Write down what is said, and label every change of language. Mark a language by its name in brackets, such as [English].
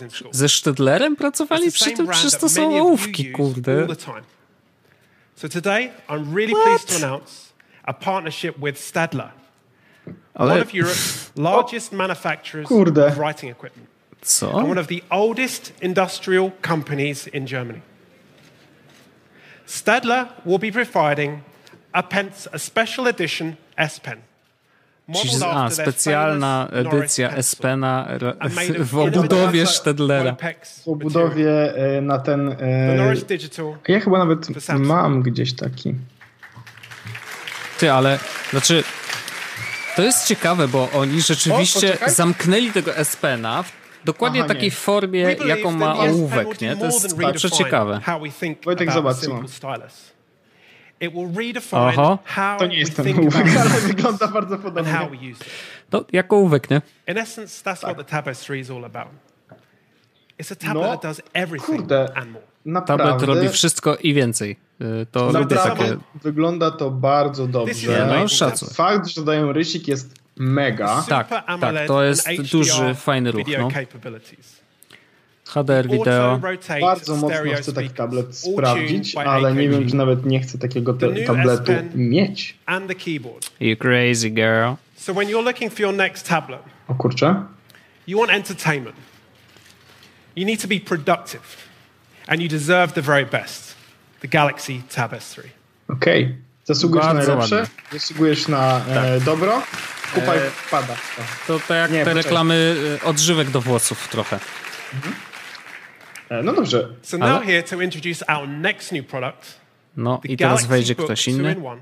[Polish] Ze Sztydlerem pracowali przy tym, przez to są ołówki, kurde. [English] So today I'm really pleased to announce a partnership with Stadler. One of Europe's largest manufacturers of writing equipment. [Polish] Co? [English] And one of the oldest industrial companies in Germany. Stadler will be providing a special edition S Pen. [Polish] A, specjalna edycja S-Pena w obudowie Staedtlera. W obudowie na ten... Ja chyba nawet mam gdzieś taki. Ty, ale... Znaczy... To jest ciekawe, bo oni rzeczywiście zamknęli tego S-Pena w dokładnie takiej formie, jaką ma ołówek, nie? To jest bardzo ciekawe. Wojtek, zobacz, [English] it will redefine aha. [Polish] How to nie jest ten ołówek, ale wygląda bardzo podobnie. No, jak ołówek, nie? [English] In essence, that's what the tapestry is all about. It's a tablet that does everything [Polish] kurde, [English] and more. [Polish] Naprawdę. Tablet robi wszystko i więcej. To lubię takie... Wygląda to bardzo dobrze. No, szacuj. Fakt, że dają rysik, jest mega. Tak, tak, to jest duży, fajny ruch. No. HDR wideo. Bardzo mocno chcę taki tablet sprawdzić, ale nie wiem, czy nawet nie chcę takiego tabletu mieć. [English] You crazy girl. So when you're looking for your next tablet, [Polish] o kurczę. [English] You want entertainment. You need to be productive. And you deserve the very best. The Galaxy Tab S3. [Polish] Okej. Okay. Zasługujesz bardzo na najlepsze. Ładnie. Zasługujesz na tak. Dobro. Kupaj, pada. To jak nie, te poczekaj. Reklamy odżywek do włosów trochę. Mhm. No dobrze. [English] So now ale? Here to introduce our next new product. [Polish] No i teraz wejdzie ktoś inny.